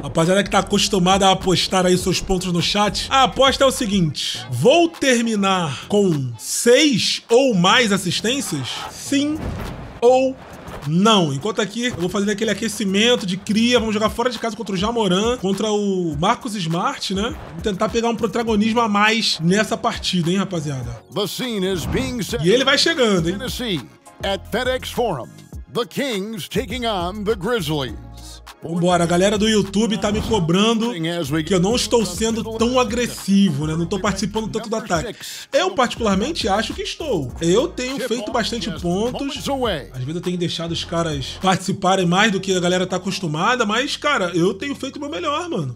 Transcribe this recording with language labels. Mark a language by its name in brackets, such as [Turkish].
[Portuguese] Rapaziada que tá acostumada a apostar aí seus pontos no chat, a aposta é o seguinte: vou terminar com 6 ou mais assistências? Sim ou não? Enquanto aqui, eu vou fazer aquele aquecimento de cria. Vamos jogar fora de casa contra o Jamoran, contra o Marcus Smart, né? Vou tentar pegar um protagonismo a mais nessa partida, hein, rapaziada. E ele vai chegando, hein. [English] At FedEx Forum, the Kings taking on the Grizzlies. [Portuguese] Vambora, a galera do YouTube tá me cobrando que eu não estou sendo tão agressivo, né? Não tô participando tanto do ataque. Eu, particularmente, acho que estou. Eu tenho feito bastante pontos. Às vezes eu tenho deixado os caras participarem mais do que a galera tá acostumada, mas, cara, eu tenho feito o meu melhor, mano.